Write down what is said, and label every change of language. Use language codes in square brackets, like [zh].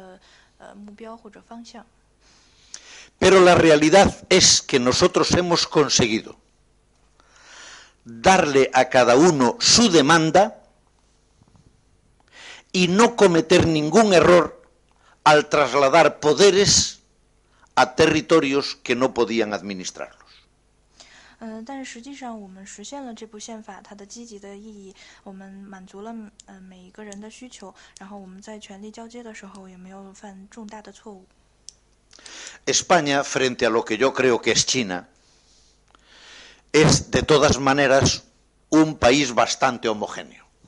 [zh] 然后，但是呢，这些想法是其实跟一些其他的人是完全不一样的。他们认为这部宪法非常的，就是不够明确，它没有一个非常明晰的目标或者方向。 [es] Pero la realidad es que nosotros hemos conseguido darle a cada uno su demanda y no cometer ningún error al trasladar poderes a territorios que no podían administrarlos. [zh] 但实际上我们实现了这部宪法它的积极的意义，我们满足了每一个人的需求，然后我们在权力交接的时候也没有犯重大的错误。 [es] España, frente a lo que yo creo que es China, es de todas maneras un país bastante homogéneo.